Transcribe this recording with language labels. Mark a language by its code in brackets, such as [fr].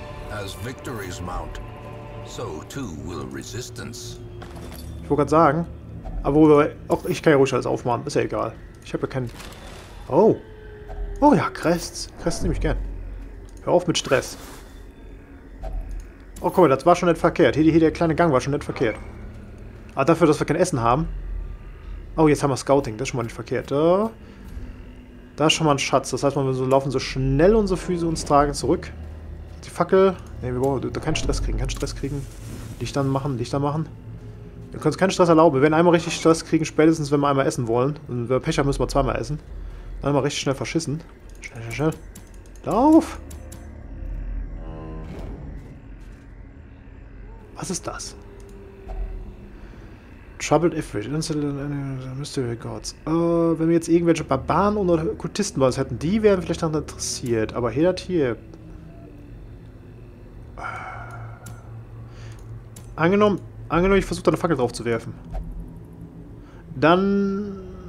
[en] As victories mount, so too will resistance. [de] Ich wollte gerade sagen, aber auch ich kann ja ruhig alles aufmachen, ist ja egal. Ich habe ja keinen. Oh. Oh ja, Crests. Crests nehme ich gern. Hör auf mit Stress. Oh, guck mal, das war schon nicht verkehrt. Hier der kleine Gang war schon nicht verkehrt. Aber dafür, dass wir kein Essen haben. Oh, jetzt haben wir Scouting. Das ist schon mal nicht verkehrt. Da ist schon mal ein Schatz. Das heißt, wir laufen so schnell unsere Füße uns tragen zurück. Die Fackel. Ne, wir brauchen da keinen Stress kriegen. Keinen Stress kriegen. Lichtern machen. Wir können uns keinen Stress erlauben. Wir werden einmal richtig Stress kriegen, spätestens wenn wir einmal essen wollen. Und wenn wir Pech haben, müssen wir zweimal essen. Dann mal richtig schnell verschissen. Schnell. Lauf! Was ist das? [en] Troubled Ifrit, Mystery Gods. [de] Wenn wir jetzt irgendwelche Barbaren oder Kultisten bei uns hätten, die wären vielleicht daran interessiert. Aber hier, das hier. Angenommen, ich versuche da eine Fackel drauf zu werfen. Dann.